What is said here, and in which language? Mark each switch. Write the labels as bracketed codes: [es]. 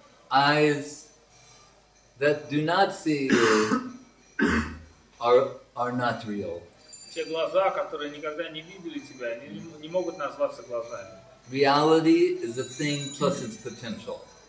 [en] Eyes that do not see you are not real. [ru] Те глаза, которые никогда не видели тебя, не могут назваться глазами. [en] Reality is a thing plus its potential.